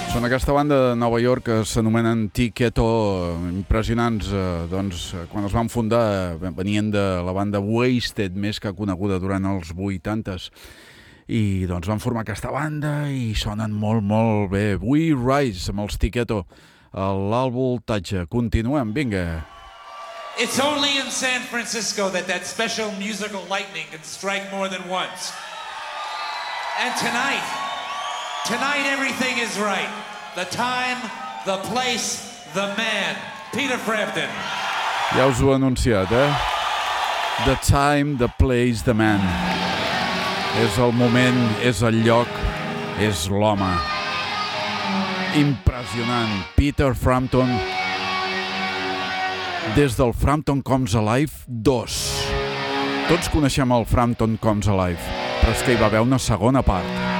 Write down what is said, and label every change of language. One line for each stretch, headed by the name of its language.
Catalan: Aquesta banda de Nova York que s'anomenen Tiqueto, impressionants, doncs, quan els van fundar venien de la banda Wasted, més que coneguda durant els 80s, i doncs van formar aquesta banda i sonen molt, molt bé. We Rise, amb els Tiqueto, a l'alvoltatge. Continuem, vinga.
English: It's only in San Francisco that that special musical lightning can strike more than once. And tonight, tonight everything is right. The time, the place, the man, Peter Frampton.
Catalan: Ja us ho he anunciat, eh?
English: The time, the place, the man.
Catalan: És el moment, és el lloc, és l'home. Impressionant. Peter Frampton, des del Frampton Comes Alive 2. Tots coneixem el Frampton Comes Alive, però és que hi va haver una segona part.